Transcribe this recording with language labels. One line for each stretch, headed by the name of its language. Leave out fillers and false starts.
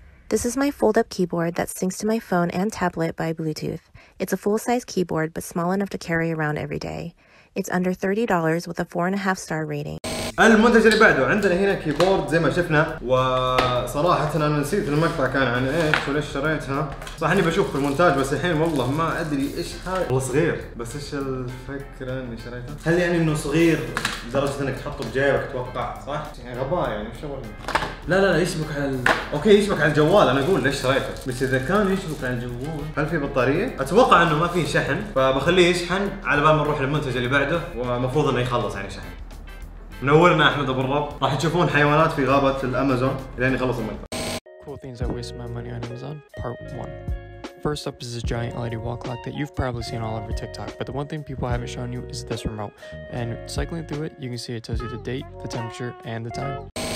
English: This is my fold-up keyboard that syncs to my phone and tablet by Bluetooth. It's a full-size keyboard, but small enough to carry around every day. It's under $30 with a 4.5-star rating.
Arabic: المنتج اللي بعده عندنا هنا كيبورد زي ما شفنا، وصراحة أنا نسيت المقطع كان عن إيش وليش شريتها. صح إني بشوف في المونتاج بس الحين والله ما أدري إيش هذا. والله صغير، بس إيش الفكرة إني شريتها؟ هل يعني إنه صغير لدرجة إنك تحطه بجيبك توقع صح؟ يعني غباء يعني إيش أقول؟ لا لا لا يشبك على أوكي يشبك على الجوال. أنا أقول ليش شريته، بس إذا كان يشبك على الجوال هل في بطارية؟ أتوقع إنه ما في شحن، فبخليه يشحن على بال ما نروح للمنتج اللي بعده، ومفروض إنه يخلص يعني شحن. منورنا احمد ابو الرب. راح تشوفون حيوانات في غابة الامازون لين يخلص المقطع.
English: Cool things that waste my money on Amazon part 1. First up is this giant LED wall clock that you've probably seen all over TikTok, but the one thing people haven't shown you is this remote. And cycling through it, you can see it tells you the date, the temperature, and the time.